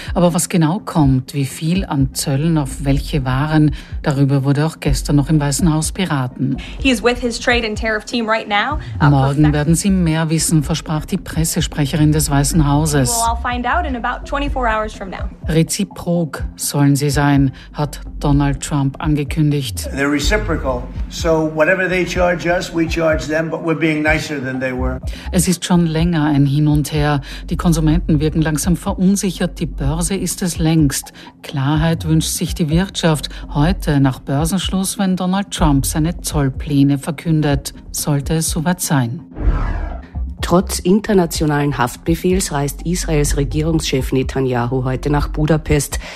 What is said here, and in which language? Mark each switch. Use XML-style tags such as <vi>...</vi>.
<de>Aber was genau kommt, wie viel an Zöllen auf welche Waren, darüber wurde auch gestern noch im Weißen Haus beraten. Morgen werden Sie mehr wissen, versprach die Pressesprecherin des Weißen Hauses. Reziprok sollen sie sein, hat Donald Trump angekündigt.</de> <en>They're reciprocal. So whatever they charge us, we charge them, but we're being nicer than they were.</en> <de>Es ist schon länger ein Hin und Her. Die Konsumenten wirken langsam verunsichert, die Börse ist es längst. Klarheit wünscht sich die Wirtschaft. Heute nach Börsenschluss, wenn Donald Trump seine Zollpläne verkündet, sollte es soweit sein. Trotz internationalen Haftbefehls reist Israels Regierungschef Netanyahu heute nach Budapest.</de>